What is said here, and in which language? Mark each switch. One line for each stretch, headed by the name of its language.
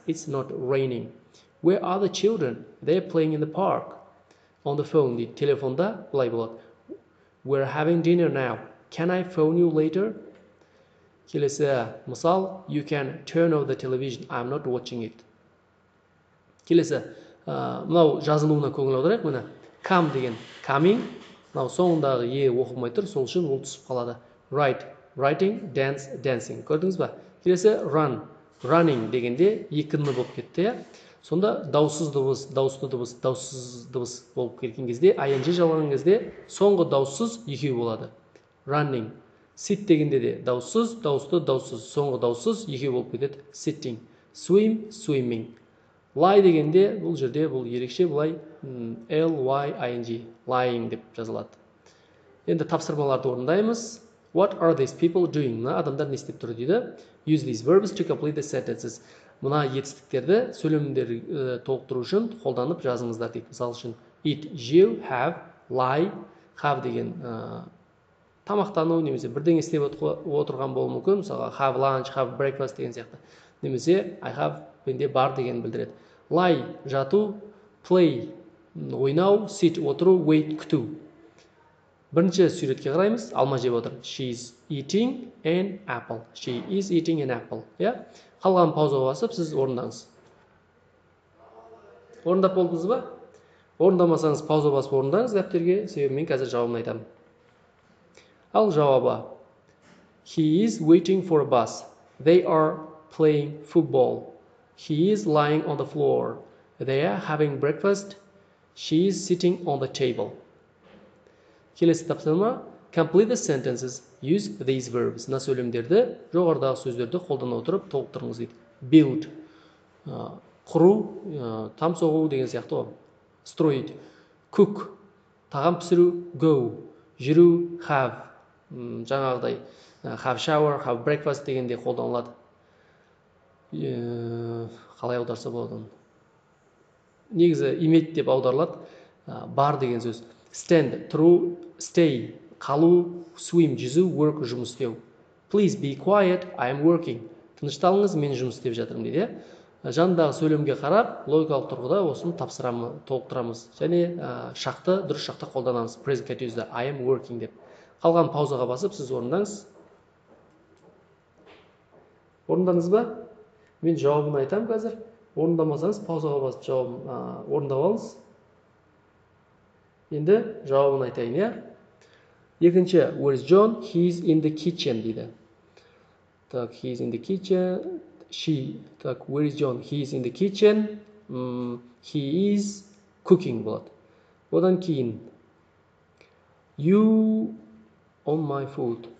English: It's not raining. Where are the children? They are playing in the park. On the phone.
Kazakh: Дейді. Телефонда былай болады.
English: We're having dinner now. Can I phone you later?
Kazakh: Келесі мысал.
English: You can turn off the television. I'm not watching it.
Kazakh: Келесі, мынау жазылуына көңіл аударайық мына. Come деген, coming, мынау соңындағы е оқылмай тұр, сол үшін ол түсіп қалады.
English: Write, writing, dance, dancing.
Kazakh: Көрдіңіз ба? Келесі, run, running дегенде екі ны болып кетті. Сонда дауыссыз дыбыс болып келген кезде, ing жалған кезде, соңғы дауыссыз екеу болады. Running, sit дегенде де дауыссыз, дауыссыз, соңғы дауыссыз екеу болып кетеді.
English: Sitting, swim, swimming.
Kazakh: Lie дегенде, бұл жерде бұл ерекше бұлай L-Y-I-N-G, lying деп жазылады. Енді тапсырмаларды орындаймыз.
English: What are these people doing?
Kazakh: Мына адамдар не істеп тұр дейді.
English: Use these verbs to complete the sentences.
Kazakh: Мына етістіктерді сөйлемдер толықтыру үшін қолданып жазыңыздар дейді. Мысал үшін, eat, жеу, have, lie, have деген тамақтану, немесе бірден істеп отырған болу мүмкін. Мысалға, have lunch, have breakfast деген сияқты. Немесе, I have бенде бар деген білдіреді. Lie жату, play ойнау, sit отыру, wait күту. Бірінші сүйретке қараймыз, алма жеп отыр.
English: She is eating an apple. She is eating an apple.
Kazakh: Қалған пауза басып, сіз орындаңыз. Орындап болдыңыз ба? Орындамасаңыз пауза басып орындаңыз дәптерге, себебі мен қазір жауабын айтамын. Ал жауабы.
English: He is waiting for a bus. They are playing football. He is lying on the floor. They are having breakfast. She is sitting on the table.
Kazakh: Келесі тапсырма.
English: Complete the sentences. Use these verbs.
Kazakh: Мына сөйлемдерді жоғарыдағы сөздерді қолдана отырып толықтырыңыз дейді.
English: Build.
Kazakh: Құру, там соғу деген сияқты ғой. Строить. Cook. Тағам пісіру. Go. Жүру. Have. Жаңағыдай.
English: Have shower, have breakfast дегенде қолданылады.
Kazakh: Қалай аударса болады. Негізі имет деп аударылады. Бар деген сөз. Stand, тұру, stay, қалу, swim, жүзу, work, жұмыс істеу.
English: Please be quiet, I am working.
Kazakh: Тынышталыңыз, мен жұмыс істеп жатырмын дейді. Жандағы сөйлемге қарап, логикалық тұрғыда осын тапсырамыз, толықтырамыз. Және шақты, дұрыс шақты қолданамыз.
English: Present continuous-ді I am working деп.
Kazakh: Қалған паузаға басып, сіз орындаңыз. Орындаңыз ба? Мен жауабын айтам қазір. Орындамасаңыз, паузаға басып жауап орындап алыңыз. Енді жауабын айтайын, иә.
English: Екінші, where is John? He is in the kitchen, дейді. Так, he is in the kitchen. She, так, where is John? He is in the kitchen. He is cooking, болады.
Kazakh: Одан кейін,
English: you on my foot.